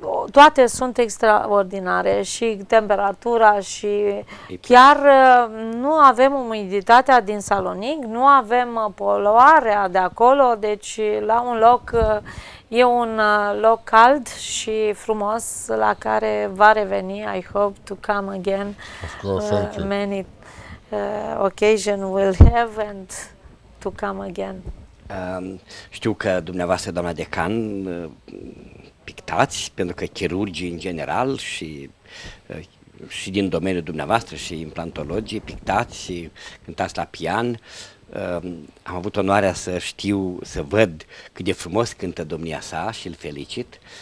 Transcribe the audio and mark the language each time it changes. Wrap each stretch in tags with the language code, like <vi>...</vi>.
<ro>Toate sunt extraordinare și temperatura și chiar nu avem umiditatea din Salonic, nu avem poluarea de acolo, deci la un loc e un loc cald și frumos la care va reveni.</ro> <en>I hope to come again. Of course, thank you. Many occasion will have and to come again.</en> <ro>Știu că dumneavoastră, doamna decan, pictați, pentru că chirurgii în general și din domeniul dumneavoastră și implantologii, pictați și cântați la pian. Am avut onoarea să știu, să văd cât de frumos cântă domnia sa și îl felicit.</ro>